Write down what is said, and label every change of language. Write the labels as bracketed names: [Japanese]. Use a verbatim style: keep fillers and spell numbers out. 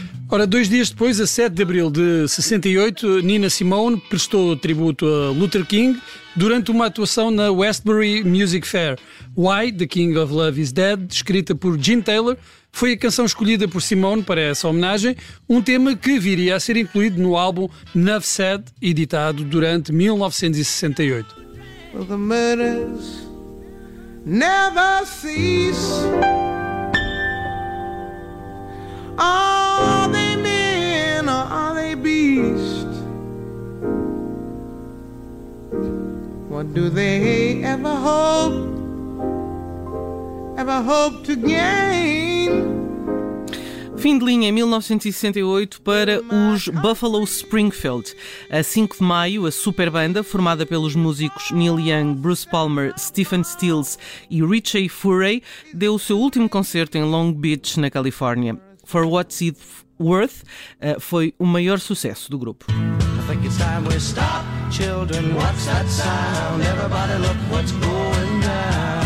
[Portuguese] Ora, dois dias depois, a sete de abril de sessenta e oito, Nina Simone prestou tributo a Luther King durante uma atuação na Westbury Music Fair. Why the King of Love is Dead, escrita por Gene Taylor, foi a canção escolhida por Simone para essa homenagem, um tema que viria a ser incluído no álbum Nuff Said, editado durante mil novecentos e sessenta e oito. [English] Well, the murders never cease. Are they men or are they beasts? What do they ever hope, ever hope to gain? [Portuguese] Fim de linha em mil novecentos e sessenta e oito para os Buffalo Springfield. A cinco de maio, a superbanda, formada pelos músicos Neil Young, Bruce Palmer, Stephen Stills e Richie Furay, deu o seu último concerto em Long Beach, na Califórnia. For What's It Worth uh, foi o maior sucesso do grupo. [English] I think it's time we stop, children, what's that sound? Everybody look what's going down.